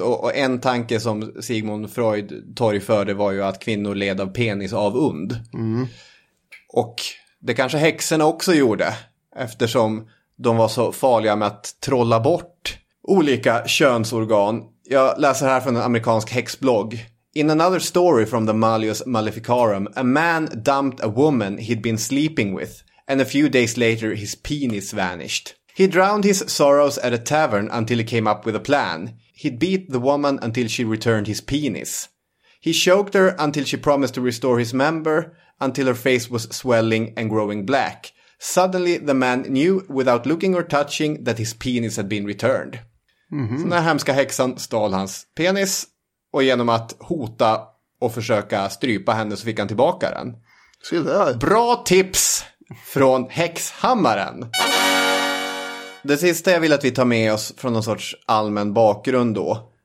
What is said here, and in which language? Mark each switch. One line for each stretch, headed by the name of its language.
Swedish: Och en tanke som Sigmund Freud torgförde var ju att kvinnor led av penis av und. Mm. Och det kanske häxorna också gjorde, eftersom de var så farliga med att trolla bort olika könsorgan. Jag läser här från en amerikansk häxblogg.
English: In another story from the Malleus Maleficarum, a man dumped a woman he'd been sleeping with, and a few days later his penis vanished. He drowned his sorrows at a tavern until he came up with a plan. He'd beat the woman until she returned his penis. He choked her until she promised to restore his member, until her face was swelling and growing black. Suddenly the man knew, without looking or touching, that his penis had been returned. Mm-hmm.
Swedish: Så den här hemska häxan stal hans penis. Och genom att hota och försöka strypa henne så fick han tillbaka den. Se där. Bra tips från häxhammaren. Det sista jag vill att vi tar med oss från någon sorts allmän bakgrund då.